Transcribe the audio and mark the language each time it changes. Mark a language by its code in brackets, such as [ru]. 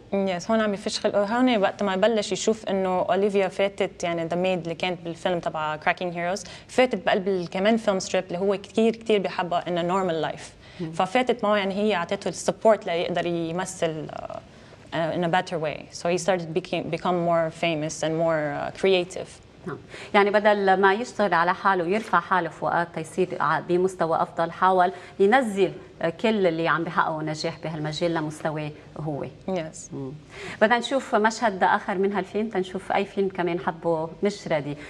[en] yes [ar] هون عم بفش خلقه، هون وقت ما بلش يشوف إنه أوليفيا فاتت، يعني [en] the maid [ar] اللي كانت بالفيلم تبع كراكينج هيروز فاتت بقلب كمان فيلم ستريب اللي هو كتير كتير بحبها إنه [en] normal life. [ar] ففاتت معه، يعني هي عطته السبورت ليقدر يمثل [en] in a better way. So he started become more famous and more creative. [ar] يعني بدل ما يشتغل على حاله ويرفع حاله فؤاد تيصير بمستوى أفضل، حاول ينزل كل اللي عم بحققه نجاح بهالمجال لمستواه هو. [en] yes. [ar] بدنا نشوف مشهد آخر من هالفيلم، تنشوف أي فيلم كمان حبه مش ردي.